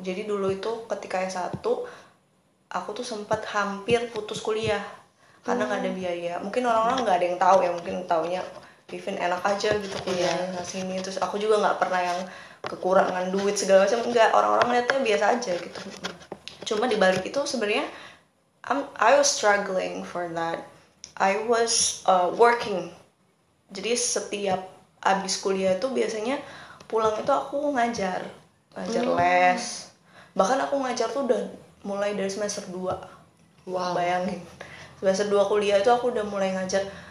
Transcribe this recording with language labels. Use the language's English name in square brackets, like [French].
[Indonesian] Jadi dulu itu ketika S1 aku tuh sempat hampir putus kuliah karena nggak ada biaya. Mungkin orang-orang nggak ada yang tahu ya, mungkin taunya Vivin enak aja gitu kuliah sini. Terus aku juga nggak pernah yang kekurangan duit segala macam, enggak, orang-orang lihatnya biasa aja gitu. Cuma di balik itu sebenarnya [English] I was struggling for that. I was working. [Indonesian] Jadi setiap abis kuliah itu biasanya pulang itu aku ngajar les. Bahkan aku ngajar tuh udah mulai dari semester 2. Wow. Bayangin. Semester 2 kuliah itu aku udah mulai ngajar.